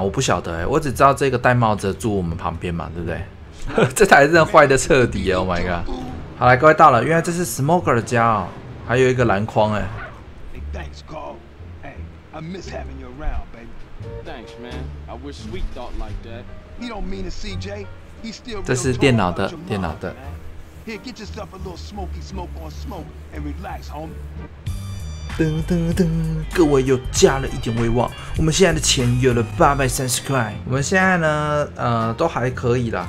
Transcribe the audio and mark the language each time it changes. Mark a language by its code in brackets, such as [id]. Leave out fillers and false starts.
[zh] 我不晓得哎，我只知道这个戴帽子住我们旁边嘛，对不对？这台真的坏的彻底啊 ！ Oh my god！好了，各位到了，原来这是 Smoker 的家哦，还有一个篮筐哎。 [en] Hey, thanks, Cole. Hey, I miss having you around, baby. Thanks, man. I wish Sweet thought like that. He don't mean it, CJ. [zh] 这是电脑的，噔噔噔，各位又加了一点威望。我们现在的钱有了830块，我们现在呢，都还可以啦。